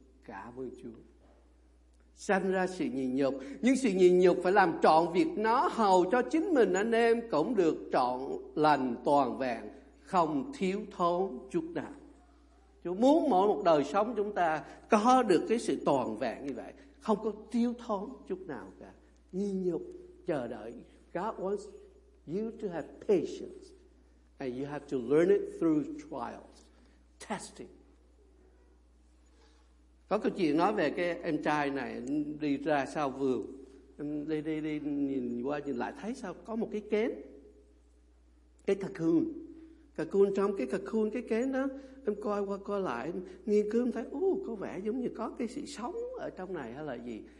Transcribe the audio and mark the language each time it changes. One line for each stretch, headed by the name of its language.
Vietnamese: Cả với Chúa sanh ra sự nhịn nhục, nhưng sự nhịn nhục phải làm trọn việc nó, hầu cho chính mình anh em cũng được trọn lành toàn vẹn, không thiếu thốn chút nào. Chúa muốn mỗi một đời sống chúng ta có được cái sự toàn vẹn như vậy, không có thiếu thốn chút nào cả. Nhịn nhục, chờ đợi.
English: God wants you to have patience, and you have to learn it through trials, testing.
Vietnamese: Có câu chuyện nói về cái em trai này đi ra sau vườn, em đi nhìn qua nhìn lại thấy sao có một cái kén, cái cocoon trong cái cocoon, cái kén đó em coi qua coi lại, em nghiên cứu, em thấy có vẻ giống như có cái sự sống ở trong này hay là gì.